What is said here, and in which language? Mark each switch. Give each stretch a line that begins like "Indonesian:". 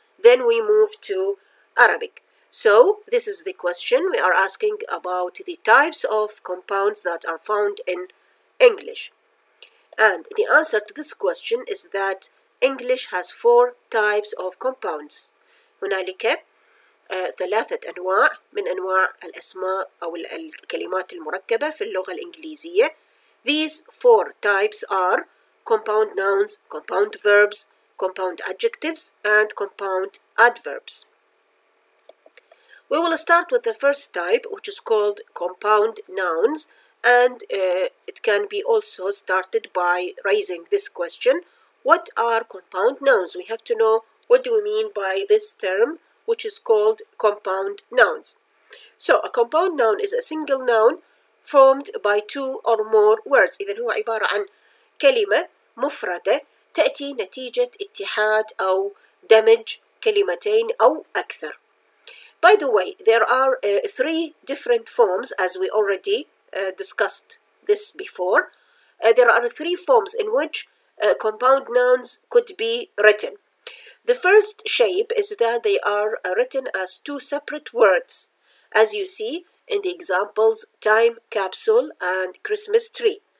English: Then we move to Arabic. So, this is the question we are asking about the types of compounds that are found in English. And the answer to this question is that English has four types of compounds.
Arabic: هنالك ثلاثة أنواع من أنواع الأسماء أو الكلمات المركبة في اللغة الإنجليزية.
English: These four types are compound nouns, compound verbs, compound adjectives, and compound adverbs. We will start with the first type, which is called compound nouns, and it can be also started by raising this question. What are compound nouns? We have to know what do we mean by this term, which is called compound nouns. So, a compound noun is a single noun formed by two or more words.
Arabic: إذن هو عبارة عن كلمة مفردة تأتي نتيجة اتحاد أو دمج كلمتين أو أكثر.
English: By the way, there are three different forms, as we already discussed this before. There are three forms in which compound nouns could be written. The first shape is that they are written as two separate words, as you see in the examples time capsule and Christmas tree.